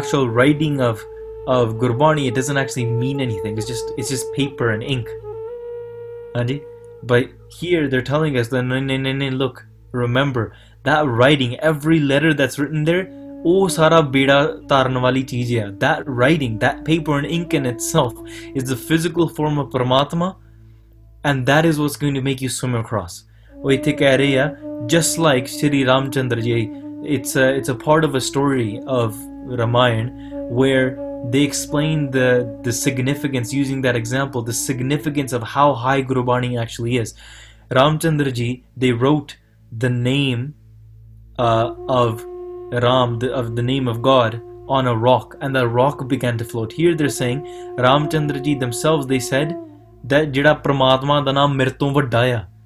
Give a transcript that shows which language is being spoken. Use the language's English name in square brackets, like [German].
[English] The actual writing of Gurbani, it doesn't actually mean anything. It's just paper and ink. And but here they're telling us that look, remember that writing, every letter that's written there, [Punjabi] ਉਹ ਸਾਰਾ ਬੇੜਾ ਤਾਰਨ ਵਾਲੀ ਚੀਜ਼ ਆ. [English] That writing, that paper and ink in itself is the physical form of ਪਰਮਾਤਮਾ, and that is what's going to make you swim across. [Punjabi] ਉਹ ਇੱਥੇ ਕਹਿ ਰਹੇ ਆ [English] Just like Shri Ram Chandra ji, it's a part of a story of Ramayana where they explain the significance, using that example, the significance of how high Gurbani actually is. Ram Chandra ji they wrote the name of Ram, of the name of God, on a rock, and that rock began to float. Here they're saying, Ramchandra ji themselves, they said that [Punjabi] jada Pramatma da naam mere ton vadda ya.